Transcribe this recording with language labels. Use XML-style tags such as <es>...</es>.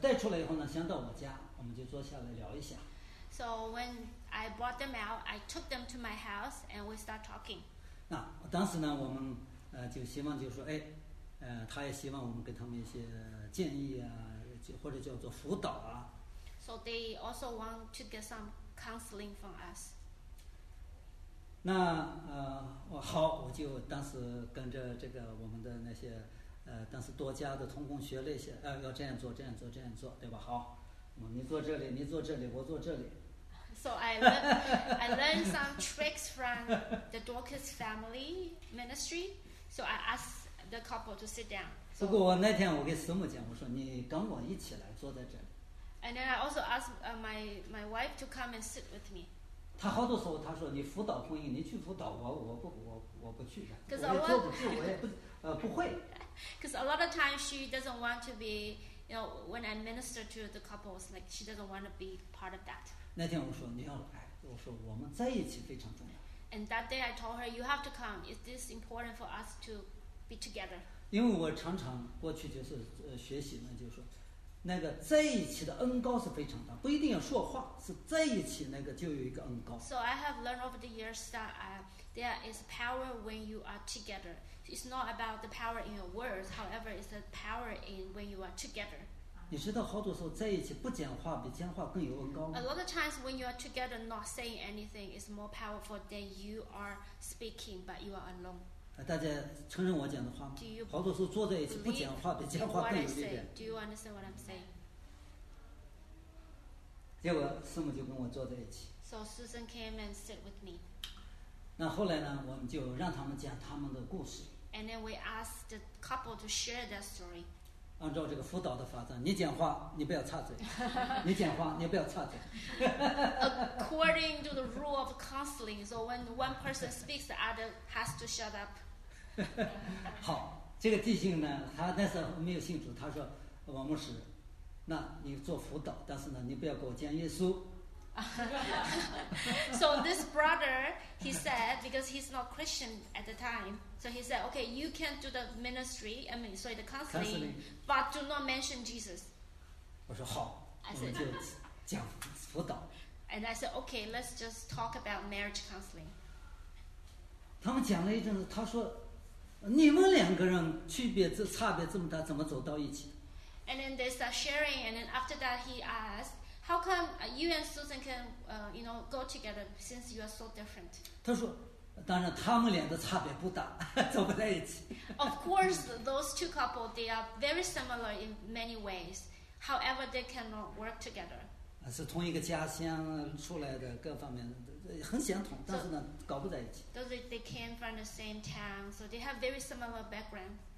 <zh>带出来以后呢，先到我家，我们就坐下来聊一下。</zh> <en>So when I brought them out, I took them to my house and we start talking.</en> <zh>那当时呢，我们就希望就是说，哎，他也希望我们给他们一些建议啊，或者叫做辅导啊。</zh> <en>So they also want to get some counseling from us.</en> <zh>那好，我就当时跟着这个我们的那些当时多家的同工学了一些，要这样做，这样做，这样做，对吧？好，你坐这里，你坐这里，我坐这里。</zh> <en>So I learned some tricks from the Dorcas family ministry. So I asked the couple to sit down.</en> <zh>不过我那天我跟师母讲，我说你跟我一起来坐在这里。</zh> <en>And then I also asked my wife to come and sit with me.</en> <zh>他好多时候他说你辅导婚姻，你去辅导我不去的，我也坐不住，我也不会。</zh> <en>Because a lot of times she doesn't want to be, you know, when I minister to the couples, like she doesn't want to be part of that.</en> <zh>那天我说你要来，我说我们在一起非常重要。</zh> <en>And that day I told her you have to come. Is this important for us to be together?</en> <zh>因为我常常过去就是学习呢，就是说那个在一起的恩膏是非常大，不一定要说话，是在一起那个就有一个恩膏。</zh> <en>So I have learned over the years that there is power when you are together. It's not about the power in your words, however, it's the power in when you are together.</en> <zh>你知道好多时候在一起不讲话比讲话更有恩膏吗？</zh> <en>A lot of times when you are together, not saying anything is more powerful than you are speaking, but you are alone.</en> <zh>大家承认我讲的话吗？好多时候坐在一起不讲话比讲话更有力量。</zh> <en>Do you understand what I'm saying?</en> <zh>结果师母就跟我坐在一起。</zh> <en>So Susan came and sit with me.</en> <zh>那后来呢，我们就让他们讲他们的故事。</zh> <en>And then we asked the couple to share their story.</en> <zh>按照这个辅导的法则，你讲话你不要插嘴，你讲话你不要插嘴。</zh> <en>According to the rule of counseling, so when one person speaks, the other has to shut up.</en> <zh>好，这个弟兄呢，他那时候没有信主，他说，王牧师，那你做辅导，但是呢，你不要给我讲耶稣。</zh> <en>So this brother, he said, because he's not Christian at the time, so he said, okay, you can do the ministry, I mean, sorry, the counseling, but do not mention Jesus.</en> <zh>我说好，我就讲辅导。</zh> <en>And I said, okay, let's just talk about marriage counseling.</en> <zh>他们讲了一阵子，他说，你们两个人区别这差别这么大，怎么走到一起？</zh> <en>And then they start sharing, and then after that, he asked. How come you and Susan can, you know, go together since you are so different?</en> <zh>他说，当然他们俩的差别不大，走不在一起。</zh> <en>Of course, those two couple they are very similar in many ways. However, they cannot work together.</en> <zh>是同一个家乡出来的，各方面很相同，但是呢，搞不在一起。</zh> <en>Those they came from the same town, so they have very similar background.</en>